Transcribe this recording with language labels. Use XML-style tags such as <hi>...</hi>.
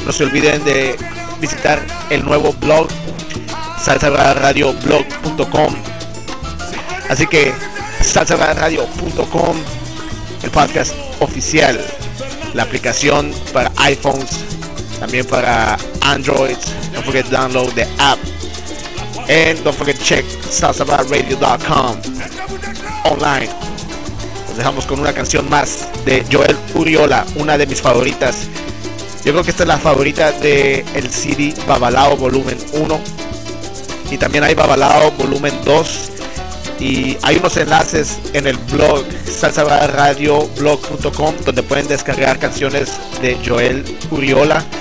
<es>No se olviden de visitar el nuevo blog, salsabravaradio.com. Así que salsabravaradio.com, el podcast oficial, la aplicación para iPhones, también para Android.</es> <en>Don't forget to download the app. And don't forget to check salsabravaradio.com online.</en> <es>Nos dejamos con una canción más de Joel Uriola, una de mis favoritas. Yo creo que esta es la favorita del CD Babalao volumen 1. Y también hay Babalao volumen 2. Y hay unos enlaces en el blog, salsabravaradio.blog.com, donde pueden descargar canciones de Joel Uriola.</es>